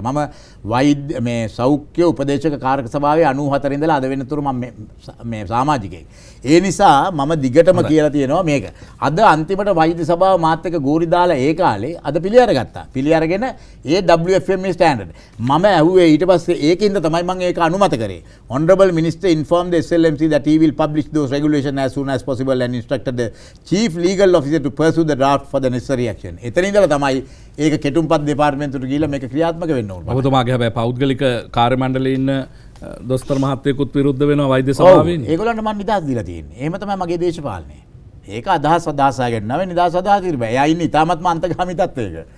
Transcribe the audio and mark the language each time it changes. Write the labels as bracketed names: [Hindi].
[Sinhala] මම වෛද්‍ය මේ සෞඛ්‍ය උපදේශක කාර්යක සභාවේ 94 ඉඳලා අද වෙනතුරු මම මේ සමාජිකයෙක්. ඒ නිසා මම දිගටම කියලා තියෙනවා මේක. අද අන්තිමට වෛද්‍ය සභාව මාත් එක්ක ගෝරි දාලා ඒ කාලේ අද පිළි අරගත්තා. පිළි අරගෙන ඒ WFME ස්ටෑන්ඩඩ්. මම ඇහුවේ ඊට පස්සේ ඒකින්ද තමයි මම ඒක අනුමත කරේ. [English] Honorable Minister informed the SLMC that he will publish those regulations as soon as possible and instructed the Chief Legal Officer to pursue the draft for the necessary action. [Sinhala] එතන ඉඳලා තමයි ඒක කෙටුම්පත් දෙපාර්තමේන්තුවට ගිහිල්ලා මේක ක්‍රියාත්මක වෙන්න ඕන. ඔබතුමාගේ හැබැයි පෞද්ගලික කාර්ය මණ්ඩලයේ ඉන්න දොස්තර මහත්වයෙකුත් විරුද්ධ වෙනවා වෛද්‍ය සභාවෙන්. ඔව් ඒගොල්ලන්ට මම නිදහස් දීලා තියෙන්නේ. එහෙම තමයි මගේ දේශපාලනේ. ඒක අදහස් අදහසාගෙන නැවෙන නිදහස් අදහස් ඉරිබෑ. එයා ඉන්නේ ඉතාමත්ම අන්තගාමී තත්ත්වයක.